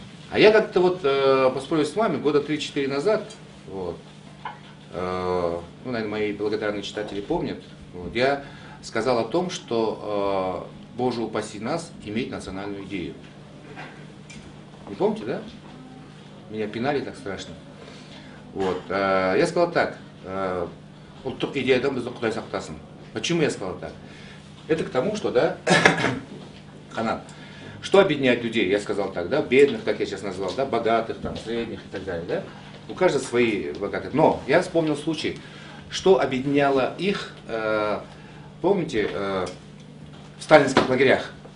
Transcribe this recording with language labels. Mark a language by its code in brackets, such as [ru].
[ru] А я как-то вот поспорил с вами года 3-4 назад, вот, ну, наверное, мои благодарные читатели помнят, вот, я сказал о том, что, Боже упаси нас, иметь национальную идею. Не помните, да? Меня пинали так страшно. Вот, я сказал так. [kk] Ұлттық идеядан біздің құдай сақтасын. [ru] Почему я сказал так? Это к тому, что, да, Канат, что объединяет людей, я сказал так, да, бедных, как я сейчас назвал, да, богатых, там, средних и так далее, да, у каждого свои богатые. Но я вспомнил случай, что объединяло их, помните, в сталинских лагерях.